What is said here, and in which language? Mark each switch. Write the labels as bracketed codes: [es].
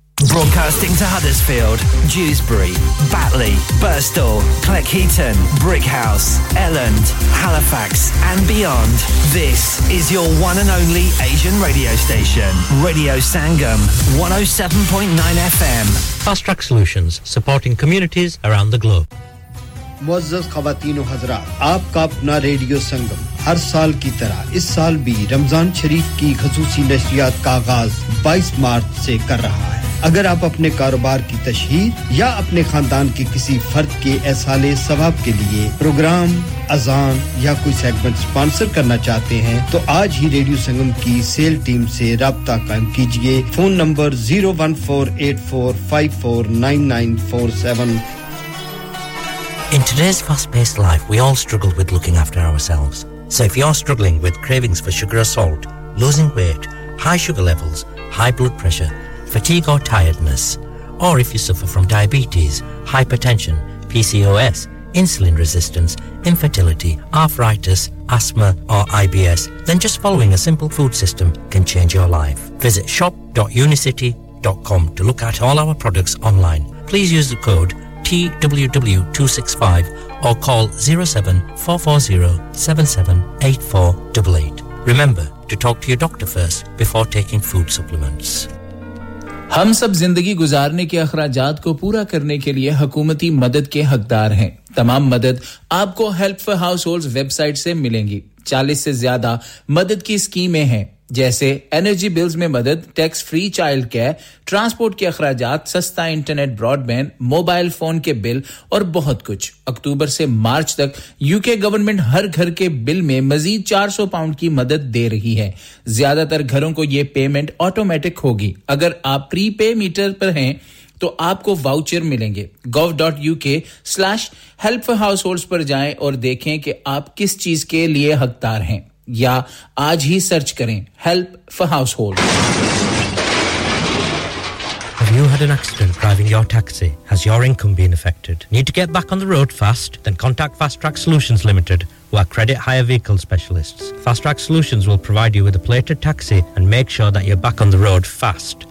[en] Broadcasting to Huddersfield, Dewsbury, Batley, Birstall, Cleckheaton, Brickhouse, Elland, Halifax and beyond. This is your one and only Asian radio station. Radio Sangam, 107.9 FM. Fast Track Solutions, supporting communities around the globe. [ur] معزز خواتین و حضرات آپ کا اپنا radio سنگم ہر سال کی طرح اس سال بھی رمضان شریف کی خصوصی نشریات کا آغاز 22 مارچ سے کر رہا ہے اگر آپ اپنے کاروبار کی تشہیر یا اپنے خاندان کے کسی فرد کے احصال ثواب کے لیے پروگرام اذان یا کوئی سیگمنٹ سپانسر کرنا چاہتے ہیں تو آج ہی ریڈیو سنگم کی سیل ٹیم سے رابطہ قائم کیجئے phone number 01484549947 [en] In today's fast-paced life, we all struggle with looking after ourselves. So if you're struggling with cravings for sugar or salt, losing weight, high sugar levels, high blood pressure, fatigue or tiredness, or if you suffer from diabetes, hypertension, PCOS, insulin resistance, infertility, arthritis, asthma or IBS, then just following a simple food system can change your life. Visit shop.unicity.com to look at all our products online. Please use the code TWW265 or call 07440778488. Remember to talk to your doctor first before taking food supplements. [ur] ہم سب زندگی گزارنے کے اخراجات کو پورا کرنے کے لیے حکومتی مدد کے حقدار ہیں تمام مدد آپ کو help for house holds web site سے ملیں گی 40 سے زیادہ مدد کی سکیمیں ہیں جیسے انرجی بلز میں مدد tax free child care transport کے اخراجات سستا internet Broad band mobile phone کے بل اور بہت کچھ اکتوبر سے مارچ تک یو کے گورنمنٹ ہر گھر کے بل میں مزید £400 کی مدد دے رہی ہے زیادہ تر گھروں کو یہ پیمنٹ آٹومیٹک ہوگی اگر آپ پری پے میٹر پر ہیں تو آپ کو واؤچر ملیں گے gov.uk/help for households پر جائیں اور دیکھیں کہ آپ کس چیز کے لیے حقدار ہیں یا آج ہی سرچ کریں Help for Household [en] Have you had an accident driving your taxi? Has your income been affected? Need to get back on the road fast? Then contact Fast Track Solutions Limited who are credit hire vehicle specialists. Fast Track Solutions will provide you with a plated taxi and make sure that you're back on the road fast.